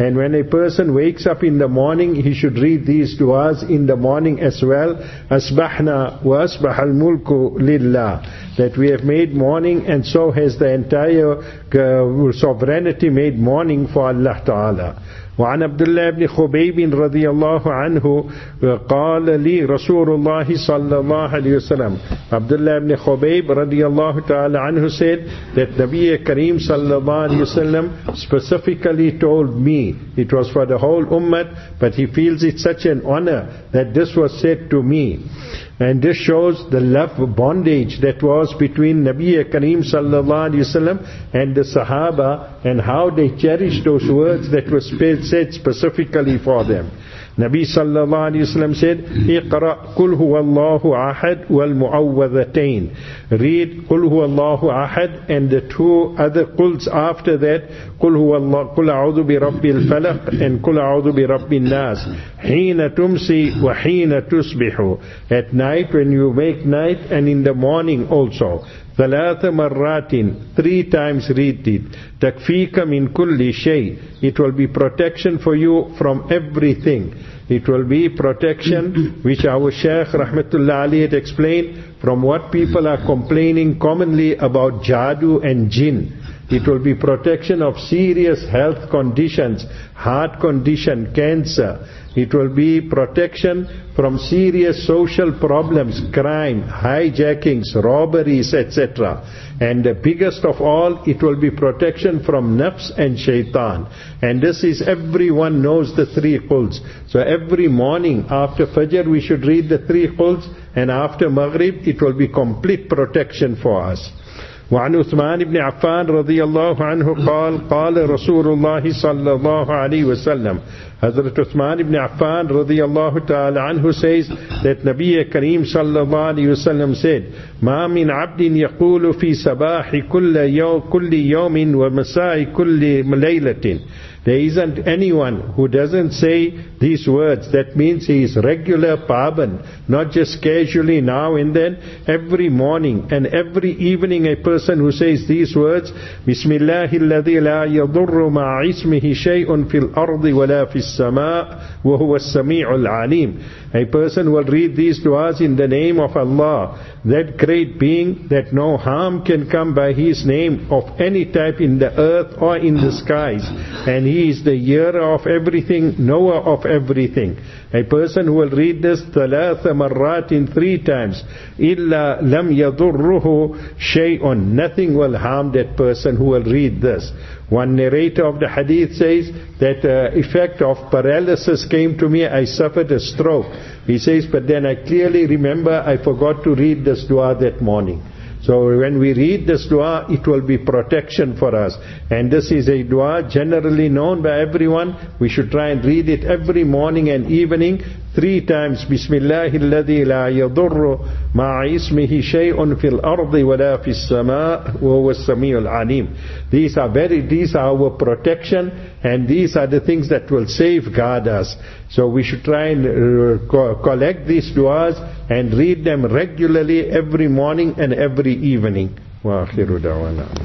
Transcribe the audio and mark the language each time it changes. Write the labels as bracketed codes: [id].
[en] And when a person wakes up in the morning, he should read these du'as in the morning as well. [ar] أَصْبَحْنَا وَأَصْبَحَ الْمُلْكُ لِلَّهِ. [en] That we have made morning, and so has the entire sovereignty made morning for Allah Ta'ala. [ar] وعن عبد الله بن خبيب رضي الله عنه قال لي رسول الله صلى الله عليه وسلم. [en] عبد الله بن خبيب [ar] رضي الله تعالى عنه [en] said that نبي كريم صلى الله عليه وسلم specifically told me, it was for the whole ummah, but he feels it such an honor that this was said to me. And this shows the love bondage that was between Nabi Kareem sallallahu alayhi wa sallam and the Sahaba, and how they cherished those words that were said specifically for them. Nabi sallallahu alayhi wa sallam said, [ar] اِقْرَأْ قُلْ هُوَ اللَّهُ عَحَدْ وَالْمُعَوَّذَتَيْنِ. [en] Read قُلْ هُوَ اللَّهُ عَحَدْ and the two other قُلْز after that, قُلْ هُوَ اللَّهُ [ar] قُلْ أَعُوذُ بِرَبِّ الْفَلَقِ [en] and [ar] قُلْ أَعُوذُ بِرَبِّ النَّاسِ. حِينَ تُمْسِي وَحِينَ تُصْبِحُ. [en] At night when you make night, and in the morning also. [ar] ثلاث مرات, [en] three times read it. [ar] تكفيك من كل شيء, [en] it will be protection for you from everything. It will be protection, which our Shaykh Rahmatullah Ali had explained, from what people are complaining commonly about jadu and jinn. It will be protection of serious health conditions, heart condition, cancer. It will be protection from serious social problems, crime, hijackings, robberies, etc. And the biggest of all, it will be protection from nafs and shaitan. And this is, everyone knows the three quls. So every morning after Fajr, we should read the three quls. And after Maghrib, it will be complete protection for us. [ar] وعن عثمان بن عفان رضي الله عنه قال قال رسول الله صلى الله عليه وسلم. [en] Hazrat Uthman ibn Affan رضي الله تعالى عنه says that نبي كريم صلى الله عليه وسلم said, [ar] ما من عبد يقول في صباح كل يوم ومساء كل ليلة. [en] There isn't anyone who doesn't say these words. That means he is regular paban, not just casually now and then. Every morning and every evening a person who says these words, [ar] Bismillah الذي لا يضر مع اسمه شيء في الأرض ولا في السماء وهو السميع العليم. [en] A person will read these du'as in the name of Allah, that great being, that no harm can come by his name of any type in the earth or in the skies. And he is the hearer of everything, knower of everything. A person who will read this ثلاث مرات in three times, [ar] إِلَّا لَمْ يَضُرُّهُ شَيْءٌ, [en] nothing will harm that person who will read this. One narrator of the hadith says that effect of paralysis came to me, I suffered a stroke. He says, but then I clearly remember I forgot to read this dua that morning. So when we read this dua, it will be protection for us. And this is a dua generally known by everyone. We should try and read it every morning and evening, three times. [ar] Bismillah الذي لا يضر مع اسمه شيء في الأرض ولا في السماء وهو السميع العليم. [en] These are our protection, and these are the things that will safeguard us. So we should try and collect these du'as and read them regularly every morning and every evening. [ar] وآخر دعوانا.